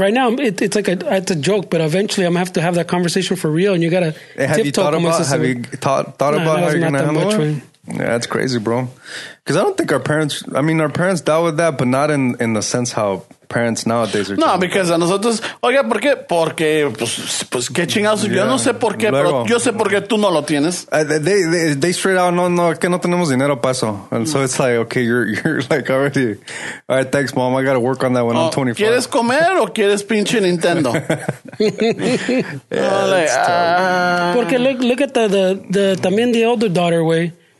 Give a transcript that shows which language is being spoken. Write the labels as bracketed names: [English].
[English] Right now, it's like it's a joke, but eventually I'm going to have that conversation for real, and you got to Have you thought about how you're going to handle it? Yeah, that's crazy, bro. Because I don't think our parents dealt with that, but not in the sense how parents nowadays are. No, because [Spanish] a nosotros, oiga, ¿por qué? Porque, pues, ¿qué chingados? [English] Yeah. [Spanish] Yo no sé por qué, pero yo sé por qué tú no lo tienes. [English] They straight out, [Spanish] no, que no tenemos dinero para eso. [English] And so it's like, okay, you're like already, all right, thanks, mom. I got to work on that when I'm 25. [Spanish] ¿Quieres comer o quieres pinche Nintendo? [English] Yeah, [Spanish] Porque [English] look at the older daughter, way.